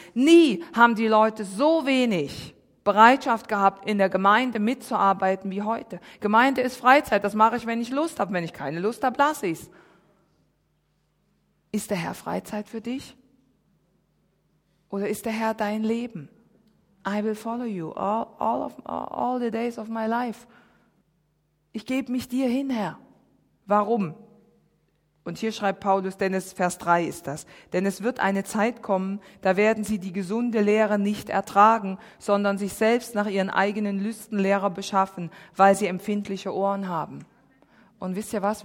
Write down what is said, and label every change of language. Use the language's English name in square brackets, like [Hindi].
[German] Nie haben die Leute so wenig Bereitschaft gehabt, in der Gemeinde mitzuarbeiten wie heute. Gemeinde ist Freizeit, das mache ich, wenn ich Lust habe, wenn ich keine Lust habe, lasse ich es. Ist der Herr Freizeit für dich? Oder ist der Herr dein Leben? [English] I will follow you all the days of my life. [German] Ich gebe mich dir hin, Herr. Warum? Und hier schreibt Paulus, denn es, Vers 3 ist das, denn es wird eine Zeit kommen, da werden sie die gesunde Lehre nicht ertragen, sondern sich selbst nach ihren eigenen Lüsten Lehrer beschaffen, weil sie empfindliche Ohren haben. Und wisst ihr was?